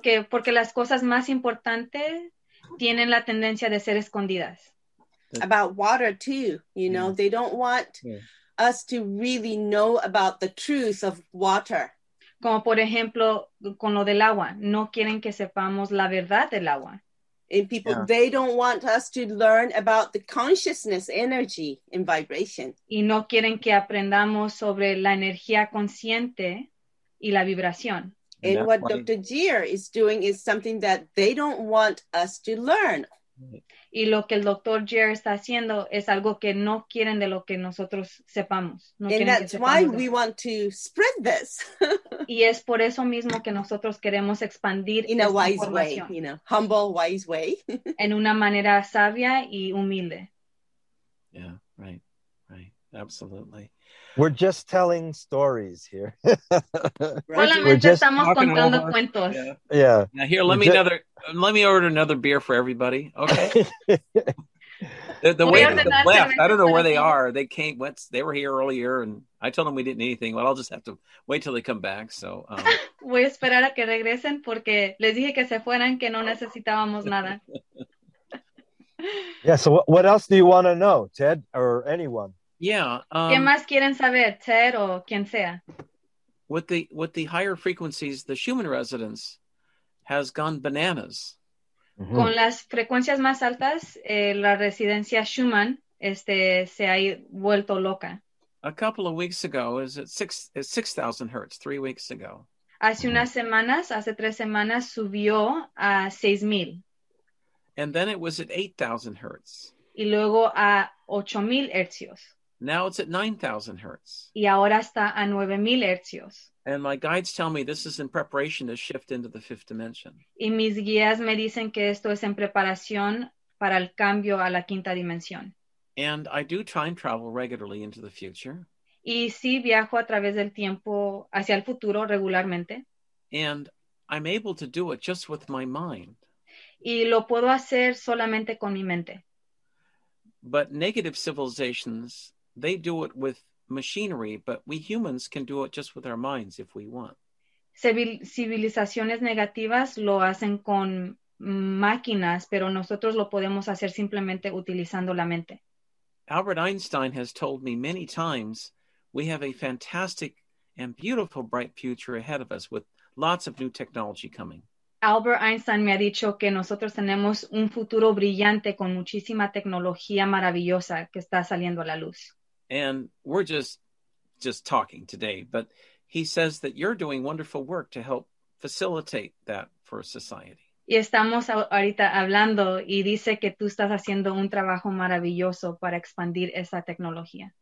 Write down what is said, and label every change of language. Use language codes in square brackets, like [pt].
[es] Porque las cosas más importantes tienen la tendencia de ser escondidas. [en] About water too, you know, yeah. they don't want yeah. us to really know about the truth of water. [es] Como por ejemplo, con lo del agua, no quieren que sepamos la verdad del agua. [en] And people, yeah. they don't want us to learn about the consciousness, energy, and vibration. [es] Y no quieren que aprendamos sobre la energía consciente y la vibración. [en] And what Dr. Gere is doing is something that they don't want us to learn. [es] Y lo que el Dr. Gere está haciendo es algo que no quieren de lo que nosotros sepamos. No [en] and that's [es] sepamos [en] why we want to spread this. [es] Y es por eso mismo que nosotros queremos expandir [en] in a wise way, you know, humble, wise way. [es] En una manera sabia y humilde. [en] Yeah, right, right, absolutely. We're just telling stories here. We're just [es] estamos contando our... cuentos. [en] Yeah. Yeah. Now here, let me order another beer for everybody. Okay. the waiters have left. I don't know where they are. They came. They were here earlier, and I told them we didn't need anything. Well, I'll just have to wait till they come back. So. [es] Voy a esperar a que regresen porque les dije que se fueran que no necesitábamos nada. [en] Yeah. So what else do you want to know, Ted, or anyone? Yeah. [es] ¿Qué más quieren saber, Ted o quien sea? [en] With the higher frequencies, the Schumann residence has gone bananas. Mm-hmm. [es] Con las frecuencias más altas, la residencia Schumann se ha vuelto loca. [en] A couple of weeks ago, is it 6,000 hertz, 3 weeks ago. [es] Hace mm-hmm. unas semanas, hace tres semanas, subió a 6,000. [en] And then it was at 8,000 hertz. [es] Y luego a 8,000 hertzios. [en] Now it's at 9,000 hertz. [es] Y ahora está a 9,000 hertzios. [en] And my guides tell me this is in preparation to shift into the fifth dimension. [es] Y mis guías me dicen que esto es en preparación para el cambio a la quinta dimensión. [en] And I do time travel regularly into the future. [es] Y sí viajo a través del tiempo hacia el futuro regularmente. [en] And I'm able to do it just with my mind. [es] Y lo puedo hacer solamente con mi mente. [en] But negative civilizations, they do it with machinery, but we humans can do it just with our minds if we want. [es] Civilizaciones negativas lo hacen con máquinas, pero nosotros lo podemos hacer simplemente utilizando la mente. [en] Albert Einstein has told me many times, we have a fantastic and beautiful bright future ahead of us with lots of new technology coming. [es] Albert Einstein me ha dicho que nosotros tenemos un futuro brillante con muchísima tecnología maravillosa que está saliendo a la luz. [en] And we're just talking today, but he says that you're doing wonderful work to help facilitate that for society. [es] Y estamos ahorita hablando y dice que tú estás haciendo un trabajo maravilloso para expandir esa tecnología.